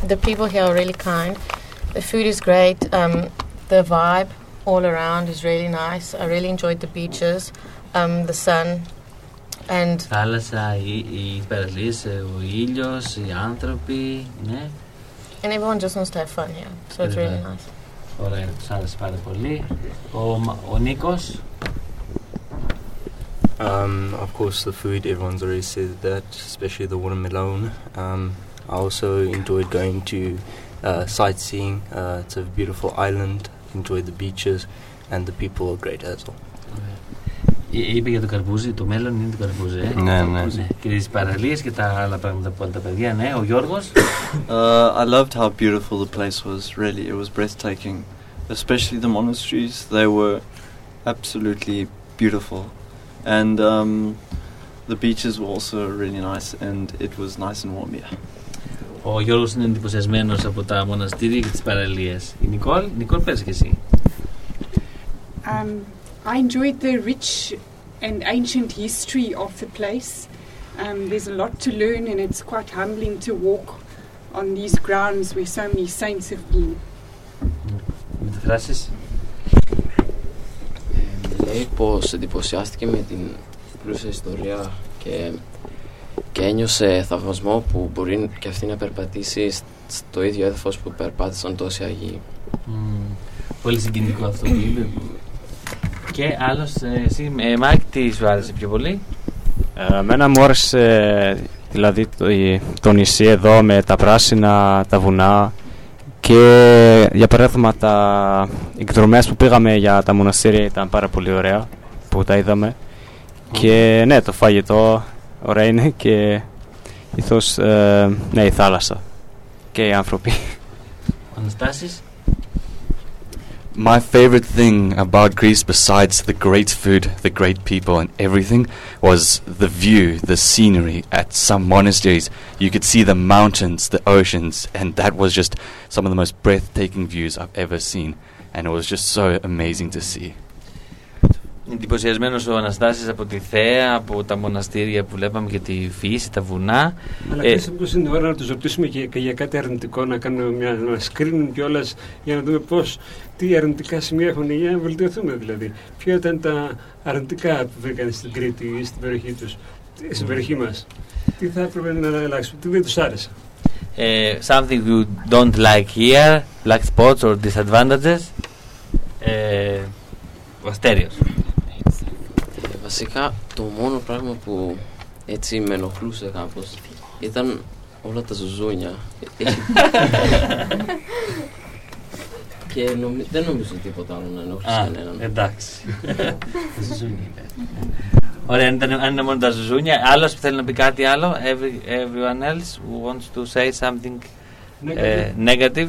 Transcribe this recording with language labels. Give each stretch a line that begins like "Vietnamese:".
English: The people here are really kind. The food is great. The vibe all around is really nice. I really enjoyed the beaches, the sun. And
Greek: θάλασσα, οι παραλίες, ο ήλιος, οι άνθρωποι, ναι.
English: And everyone just wants to have fun here, so it's really nice.
Greek: Ωραία, τους άρεσε πάρα πολύ. Ο Νίκος.
English: Of course, the food, everyone's already said that, especially the watermelon. I also enjoyed going to sightseeing. It's a beautiful island. Enjoyed the beaches, and the people are great as well.
Greek: Είπε για το καρπούζι, το μέλλον είναι το καρπούζι. Ναι. Και τις παραλίες και τα άλλα πράγματα που είναι τα παιδιά, ναι. Ο Γιώργος.
English: I loved how beautiful the place was, really. It was breathtaking. Especially the monasteries, they were absolutely beautiful. And the beaches were also really nice, and it was nice and warm, yeah.
Greek: Ο Γιώργος είναι εντυπωσιασμένος από τα μοναστήρια και τις παραλίες. Η Νικόλ, πες και εσύ.
English: I enjoyed the rich and ancient history of the place. There's a lot to learn, and it's quite humbling to walk on these grounds where so many saints have been.
Greek: Μεταφράσεις. Λέει πως εντυπωσιάστηκε με την πλούσια ιστορία και ένιωσε θαυμασμό που μπορεί και αυτή να περπατήσει στο ίδιο έδαφος που περπάτησαν τόσοι Αγίοι. Πολύ συγκινητικό αυτό που είπε. Και άλλος, εσύ, Μάικ, τι σου άρεσε πιο πολύ? Εμένα μου άρεσε, δηλαδή, το νησί εδώ με τα πράσινα, τα βουνά, Και για παράδειγμα τα εκδρομές που πήγαμε για τα μοναστήρια ήταν πάρα πολύ ωραία που τα είδαμε. Και ναι, το φαγητό ωραία είναι και ήθος, ναι, η θάλασσα και οι άνθρωποι. Αναστάσεις.
English: My favorite thing about Greece, besides the great food, the great people and everything, was the view, the scenery at some monasteries. You could see the mountains, the oceans, and that was just some of the most breathtaking views I've ever seen. And it was just so amazing to see.
Greek: Εντυπωσιασμένος ο Αναστάσης από τη θέα, από τα μοναστήρια που βλέπαμε και τη φύση, τα βουνά. Αλλά ξέρετε πώς είναι η ώρα να τους ρωτήσουμε και για κάτι αρνητικό, να κάνουμε μια screen κιόλας για να δούμε πώς, τι αρνητικά σημεία έχουν για να βελτιωθούμε δηλαδή. Ποια ήταν τα αρνητικά που βρήκαν στην Κρήτη ή στην περιοχή τους, στην περιοχή μας. Τι θα έπρεπε να αλλάξουμε, τι δεν τους άρεσε.
English: Something you don't like here, black spots or disadvantages.
Greek: Αστέριος. Βασικά το μόνο πράγμα που έτσι με ενοχλούσε κάπως ήταν όλα τα ζουζούνια. Και δεν νομίζω τίποτα άλλο να ενοχλούσε κανέναν. Εντάξει. Ζουζούνια. Ωραία, αν είναι μόνο τα ζουζούνια. Άλλος που θέλει να πει κάτι άλλο.
English: Everyone else who wants to say something negative.